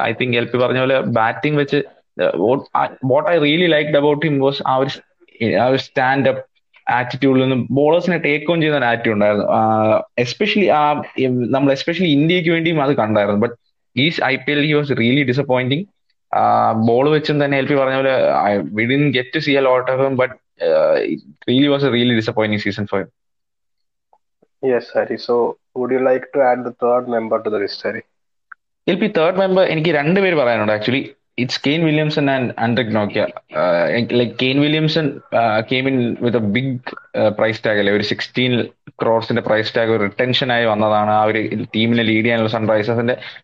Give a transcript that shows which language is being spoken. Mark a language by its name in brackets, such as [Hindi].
[Malayalam] I think L P പറഞ്ഞ പോലെ batting വെച്ച് what I really like about him was ആ ഒരു സ്റ്റാൻഡ് അപ്പ് ആറ്റിറ്റ്യൂഡിൽ നിന്നും ബോളേഴ്സിനെ ടേക്ക് ഓൺ ചെയ്യുന്ന ഒരു ആറ്റിറ്റ്യൂഡ് ഉണ്ടായിരുന്നു. എസ്പെഷ്യലി ആ നമ്മൾ എസ്പെഷ്യലി ഇന്ത്യക്ക് വേണ്ടിയും അത് കണ്ടായിരുന്നു. [English] But ഈ I P L he was really disappointing. Ball വെച്ചും തന്നെ എൽ പി പറഞ്ഞ പോലെ I we didn't get to see a lot of him, but really was a really disappointing season for him. Yes, Harry. So, would you like to add the third member to the list, Harry? [Malayalam] L P third member എനിക്ക് രണ്ടുപേര് പറയാനുണ്ട് actually. [English] It's Kane Williamson and Andrej Nogia. Like Kane Williamson came in with a big price tag, like 16 crores in the price tag, or retention ആയി വന്നതാണ് [Malayalam] ആ ഒരു ടീമിനെ lead ചെയ്യാനുള്ള സൺറൈസേഴ്സിന്റെ.